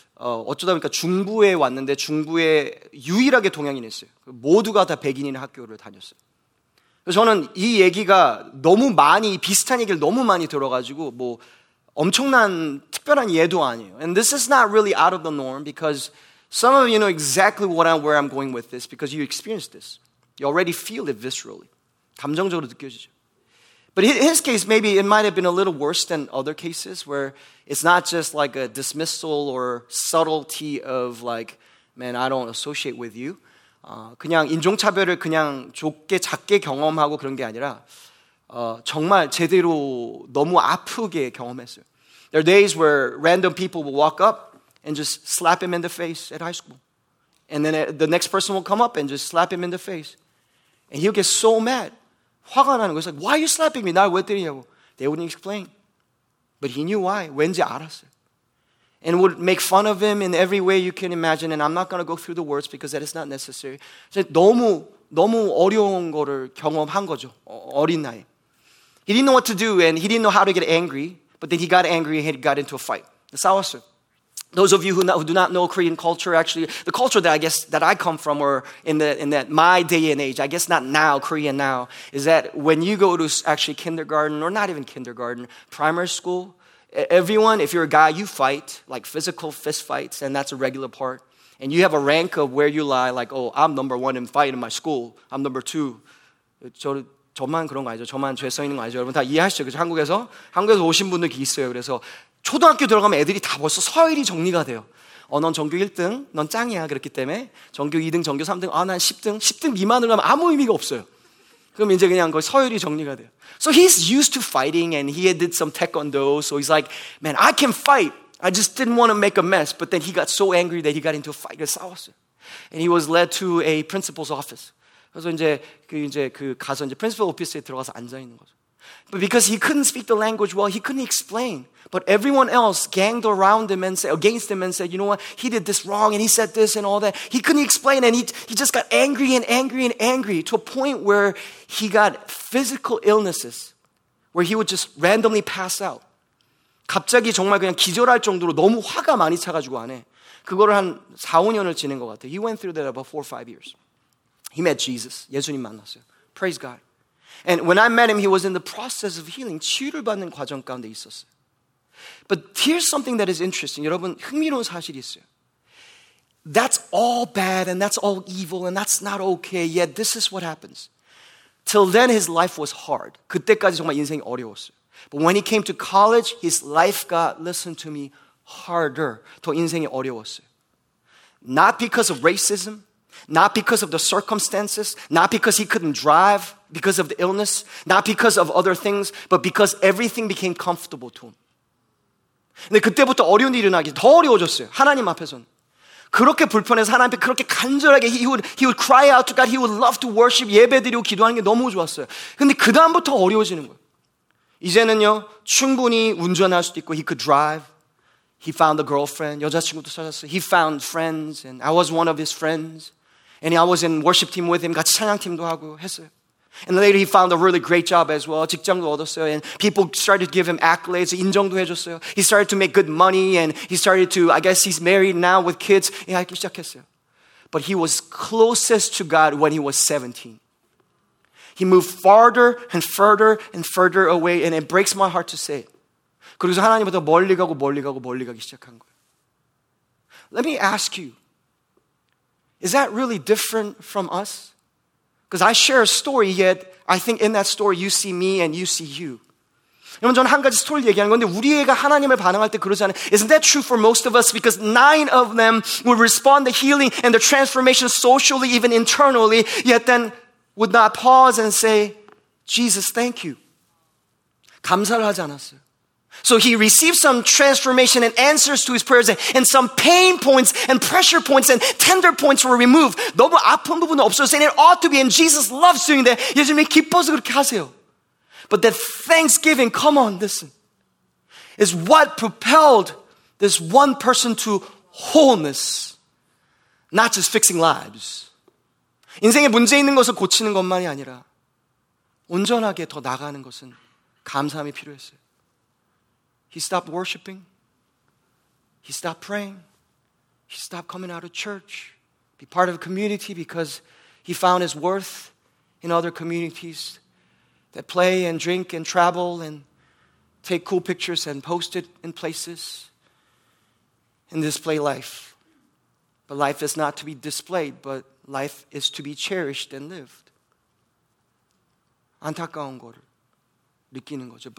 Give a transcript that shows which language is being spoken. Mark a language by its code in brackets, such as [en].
[ko] 어쩌다 보니까 중부에 왔는데 중부에 유일하게 동양인이었어요. 모두가 다 백인인 학교를 다녔어요. 저는 이 얘기가 너무 많이 비슷한 얘기를 너무 많이 들어가지고 뭐 엄청난 특별한 예도 아니에요. [en] And this is not really out of the norm because some of you know exactly where I'm going with this because you experienced this. You already feel it viscerally. [ko] 감정적으로 느껴지죠. [en] But in his case, maybe it might have been a little worse than other cases where it's not just like a dismissal or subtlety of like, man, I don't associate with you. [ko] 그냥 인종차별을 그냥 좁게 작게 경험하고 그런 게 아니라 정말 제대로 너무 아프게 경험했어요. [en] There are days where random people will walk up and just slap him in the face at high school. And then the next person will come up and just slap him in the face. And he'll get so mad. [ko] 화가 나는 거예요. [en] Like, why are you slapping me? [ko] 날 왜 때리냐고. [en] They wouldn't explain. But he knew why. [ko] 왠지 알았어요. [en] And would make fun of him in every way you can imagine. And I'm not going to go through the words because that is not necessary. [ko] 너무, 너무 어려운 거를 경험한 거죠. 어린 나이. [en] He didn't know what to do and he didn't know how to get angry. But then he got angry and he got into a fight. [ko] 싸웠어요. [en] Those of you who do not know Korean culture, actually, the culture that I guess that I come from or in that my day and age, I guess not now, Korean now, is that when you go to actually kindergarten or not even kindergarten, primary school, everyone, if you're a guy, you fight, like physical fist fights, and that's a regular part. And you have a rank of where you lie, like, oh, I'm number one in fighting in my school. I'm number two. [ko] 저만 그런 거 아니죠? 저만 죄성 있는 거 아니죠? 여러분 다 이해하시죠? 그래서 한국에서? 한국에서 오신 분들 있어요. 그래서 초등학교 들어가면 애들이 다 벌써 서열이 정리가 돼요. 어, 넌 전교 1등, 넌 짱이야. 그렇기 때문에 전교 2등, 전교 3등, 아, 난 10등. 10등 미만으로 가면 아무 의미가 없어요. 그럼 이제 그냥 거의 서열이 정리가 돼요. [en] So he's used to fighting and he did some taekwondo. So he's like, man, I can fight. I just didn't want to make a mess. But then he got so angry that he got into a fight. [ko] 그래서 싸웠어요. [en] And he was led to a principal's office. [ko] 그래서 이제 그 가서 이제 principal office에 들어가서 앉아 있는 거죠. [en] But because he couldn't speak the language well, he couldn't explain. But everyone else ganged around him and said, against him and said, you know what, he did this wrong and he said this and all that. He couldn't explain and he just got angry and angry and angry to a point where he got physical illnesses where he would just randomly pass out. [ko] 갑자기 정말 그냥 기절할 정도로 너무 화가 많이 차가지고 안 해. 그거를 한 4, 5년을 지낸 것 같아. [en] He went through that about 4 or 5 years. He met Jesus. [ko] 예수님 만났어요. [en] Praise God. And when I met him, he was in the process of healing. [ko] 치유를 받는 과정 가운데 있었어요. [en] But here's something that is interesting. [ko] 여러분, 흥미로운 사실이 있어요. [en] That's all bad and that's all evil and that's not okay. Yet this is what happens. Till then, his life was hard. [ko] 그때까지 정말 인생이 어려웠어요. [en] But when he came to college, his life got, listen to me, harder. [ko] 더 인생이 어려웠어요. [en] Not because of racism. Not because of the circumstances, not because he couldn't drive because of the illness, not because of other things, but because everything became comfortable to him. [ko] 근데 그때부터 어려운 일이 일어나기 더 어려워졌어요. 하나님 앞에서는. 그렇게 불편해서 하나님께 그렇게 간절하게 [en] he would cry out to God, he would love to worship, [ko] 예배드리고 기도하는 게 너무 좋았어요. 근데 그다음부터 어려워지는 거예요. 이제는요, 충분히 운전할 수도 있고 [en] he could drive. He found a girlfriend, [ko] 여자친구도 찾았어요. [en] He found friends, and I was one of his friends. And I was in worship team with him, [ko] 같이 찬양팀도 하고 했어요. [en] And later he found a really great job as well, [ko] 직장도 얻었어요. [en] And people started to give him accolades, [ko] 인정도 해줬어요. [en] He started to make good money, and he started to, I guess he's married now with kids, [ko] 이렇게 시작했어요. [en] But he was closest to God when he was 17. He moved farther and further and further away, and it breaks my heart to say it. [ko] 그래서 하나님보다 멀리 가고 멀리 가고 멀리 가기 시작한 거예요. [en] Let me ask you, is that really different from us? Because I share a story, yet I think in that story you see me and you see you. [ko] 여러분, 저는 한 가지 스토리를 얘기하는 건데 우리 애가 하나님을 반응할 때 그러지 않아요? [en] Isn't that true for most of us? Because 9 of them would respond to healing and the transformation socially, even internally, yet then would not pause and say, Jesus, thank you. [ko] 감사를 하지 않았어요. [en] So he received some transformation and answers to his prayers and some pain points and pressure points and tender points were removed. [ko] 너무 아픈 부분은 없어서 [en] and it ought to be and Jesus loves doing that. [ko] 예수님 기뻐서 그렇게 하세요. [en] But the thanksgiving, come on, listen, is what propelled this one person to wholeness, not just fixing lives. [ko] 인생에 문제 있는 것을 고치는 것만이 아니라 온전하게 더 나가는 것은 감사함이 필요했어요. [en] He stopped worshiping. He stopped praying. He stopped coming out of church, be part of a community because he found his worth in other communities that play and drink and travel and take cool pictures and post it in places and display life. But life is not to be displayed, but life is to be cherished and lived. [ko] 안타까운 걸 느끼는 거죠.